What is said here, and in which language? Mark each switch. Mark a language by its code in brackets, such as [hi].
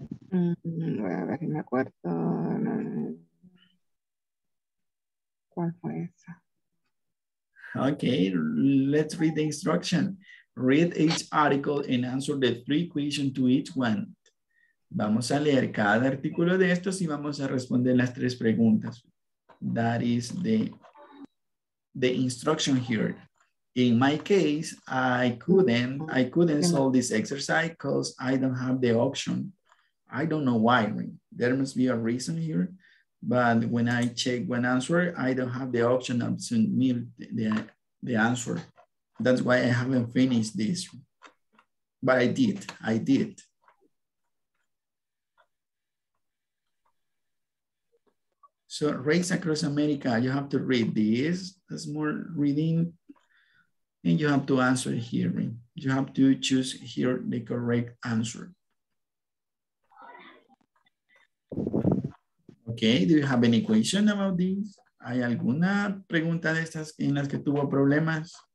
[es] Voy a ver si me acuerdo. ¿Cuál fue esa? [en] Okay, let's read the instruction. Read each article and answer the three questions to each one. [es] Vamos a leer cada artículo de estos y vamos a responder las tres preguntas. [en] That is the instruction here. In my case, I couldn't solve this exercise because I don't have the option. I don't know why. There must be a reason here. But when I check one answer, I don't have the option of submit the answer. That's why I haven't finished this. But I did. So Race Across America, you have to read this. That's more reading. And you have to answer here. You have to choose here the correct answer. Okay, do you have any question about this? [es] ¿Hay alguna pregunta de estas en las que tuvo problemas?